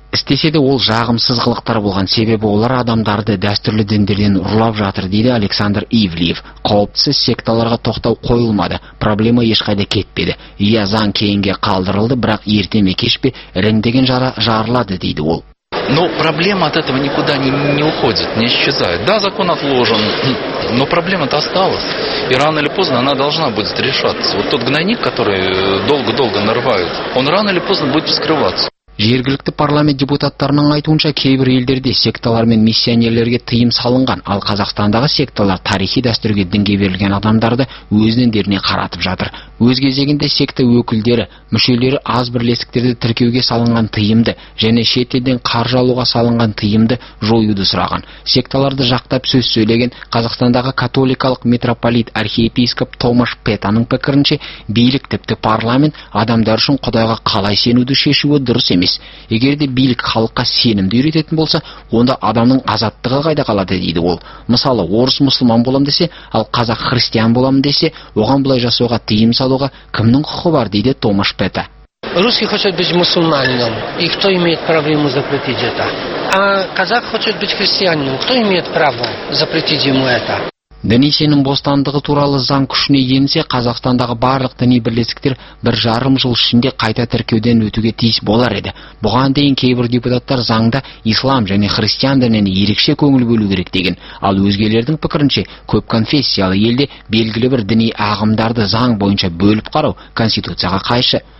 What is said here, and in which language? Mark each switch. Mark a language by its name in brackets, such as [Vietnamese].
[Kazakh] Істесе де ол жағымсыз қылықтар болған, себебі олар адамдарды дәстүрлі діндерден ұрлап жатыр, дейді Александр Ивлиев. Қауіптісі секталарға тоқтау қойылмады, проблема ешқайда кетпеді. Ия заң кейінге қалдырылды, бірақ ерте ме кеш пе іріңдеген жара жарылады, дейді ол. [Russian] Но проблема от этого никуда не уходит, не исчезает. Да, закон отложен, но проблема-то осталась. И рано или поздно она должна будет решаться. Вот тот гнойник, который долго-долго нарывают, он рано или поздно будет вскрываться. [Kazakh] Жергілікті парламент депутаттарының айтуынша, кейбір елдерде секталар мен миссионерлерге тыйым салынған, ал Қазақстандағы секталар тарихи дәстүрге дінге берілген адамдарды өзінің дініне қаратып жатыр. Өз кезегінде секта өкілдері, мүшелері аз бірлестіктерді тіркеуге салынған тыйымды және шетелден қаржы алуға салынған тыйымды жоюды сұраған. Секталарды жақтап сөз сөйлеген Қазақстандағы католикалық митрополит архиепископ Томаш Петаның пікірінше, билік тіпті парламент адамдар үшін Құдайға қалай сенуді шешуі дұрыс емес. емес. Егер де билік халыққа сенімді үйрететін болса, онда адамның азаттығы қайда қалады дейді ол. Мысалы, орыс мұсылман болам десе, ал қазақ христиан болам десе, оған бұлай жасауға тыйым салуға кімнің құқы бар дейді Томаш Пета. [Russian] Русский хочет быть мусульманином, и кто имеет право ему запретить это? А казах хочет быть христианином, кто имеет право запретить ему это? [Kazakh] Діни сенім бостандығы туралы заң күшіне енсе, Қазақстандағы барлық діни бірлестіктер бір жарым жыл ішінде қайта тіркеуден өтуге тиіс болар еді. Бұған дейін кейбір депутаттар заңда ислам және христиан дінінен ерекше көңіл бөлу керек деген, ал өзгелердің пікірінше көп конфессиялы елде белгілі бір діни ағымдарды заң бойынша бөліп қарау конституцияға қайшы.